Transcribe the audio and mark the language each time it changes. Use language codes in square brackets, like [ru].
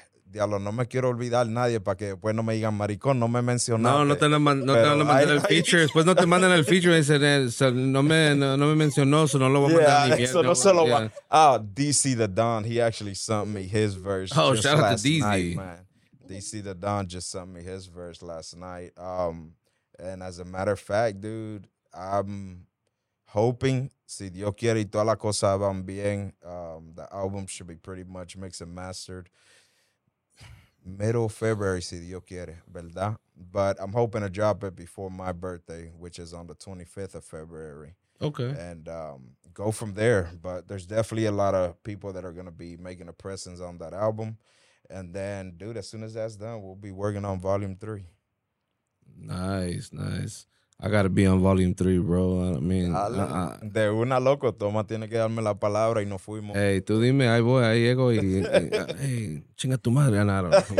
[es] Diablo, no me quiero olvidar nadie para que después no me digan maricón, no me mencionaste. No, no te van a mandar el feature. Después no te mandan el feature. Dicen, no me mencionó, eso no lo voy a mandar ni bien. Eso no se lo va. [en] Ah, DC the Don, he actually sent me his verse. Oh, shout out to DC. DC the Don just sent me his verse last night. And as a matter of fact, dude, I'm hoping, [es] si Dios quiere y toda la cosa va bien, [en] the album should be pretty much mixed and mastered middle of February, [es] si Dios quiere, ¿verdad? [en] But I'm hoping to drop it before my birthday, which is on the 25th of February. Okay. And go from there. But there's definitely a lot of people that are going to be making a presence on that album. And then, dude, as soon as that's done, we'll be working on Volume 3. Nice, nice. I got to be on Volume 3, bro. I mean, [es] de una loco, toma tiene que darme la palabra y nos fuimos. Hey, tú dime, ahí voy, ahí llego y hey, chinga tu madre, ganaron.